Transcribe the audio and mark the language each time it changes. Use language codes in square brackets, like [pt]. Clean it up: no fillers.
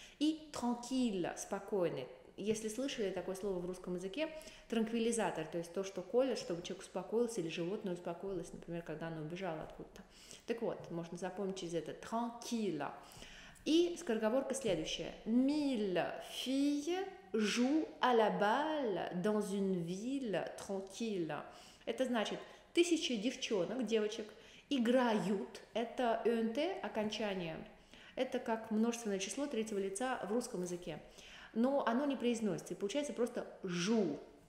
[ru] И «транкилля» – спокойный. Если слышали такое слово в русском языке, «транквилизатор», то есть то, что колет, чтобы человек успокоился или животное успокоилось, например, когда оно убежало откуда-то. Так вот, можно запомнить через это «транкилля». И скороговорка следующая. [fr] «Mille filles jouent à la balle dans une ville tranquille». [ru] Это значит, тысячи девчонок, девочек, играют. Это «ент» окончание. Это как множественное число третьего лица в русском языке. Но оно не произносится. И получается просто «жу».